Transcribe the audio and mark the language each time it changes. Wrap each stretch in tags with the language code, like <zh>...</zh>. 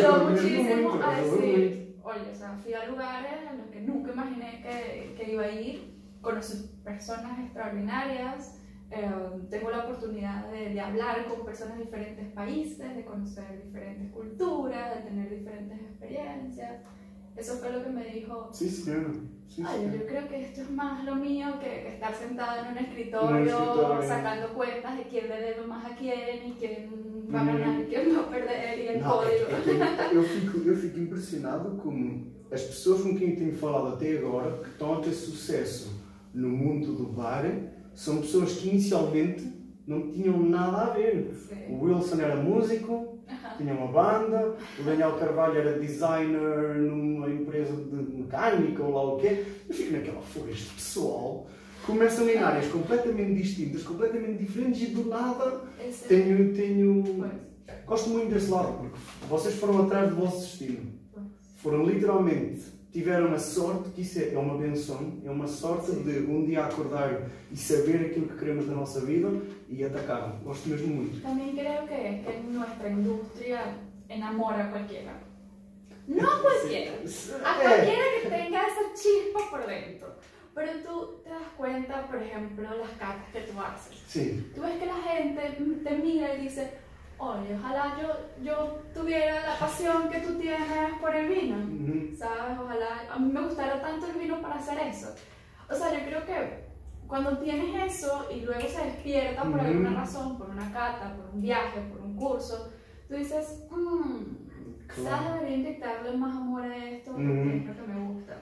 <es>muchísimo momento, a decir, oye, o sea, fui a lugares en los que nunca imaginé que iba a ir, conocí personas extraordinarias, tengo la oportunidad de hablar con personas de diferentes países, de conocer diferentes culturas, de tener diferentes experiencias. Eso fue lo que me dijo. Sí, sí, claro. Sí, ay, sí. Yo creo que esto es más lo mío que estar sentado en un escritorio sacando cuentas de quién le debe más a quién y quién va a ganar y quién va a perder y el código.</es> <pt>Es que yo fico impresionado con as pessoas com quem tenho falado até agora, que estão a ter sucesso no mundo do bar, são pessoas que inicialmente não tinham nada a ver. Sim. O Wilson era músico, tinha uma banda, o Daniel Carvalho era designer numa empresa de mecânica ou lá o quê. Eu fico naquela floresta pessoal, começam em áreas completamente distintas, completamente diferentes e do nada tenho... Gosto muito desse lado, porque vocês foram atrás do vosso destino. Foram literalmente, tiveram a sorte, que isso é uma benção, é uma sorte de um dia acordar e saber aquilo que queremos da nossa vida e atacar. Gosto mesmo muito. Também creio que a nossa indústria enamora qualquer. Não a qualquer! A qualquer que tenha essa chispa por dentro.</pt> <es>Pero tú te das cuenta, por ejemplo, las cartas que tú haces. Sí. Tú ves que la gente te mira y dice, oye, ojalá yo tuviera la pasión que tú tienes por el vino, ¿sabes? Ojalá, a mí me gustara tanto el vino para hacer eso. O sea, yo creo que cuando tienes eso y luego se despierta por alguna razón, por una cata, por un viaje, por un curso, tú dices, quizás debería inyectarle más amor a esto, porque es lo que me gusta.</es>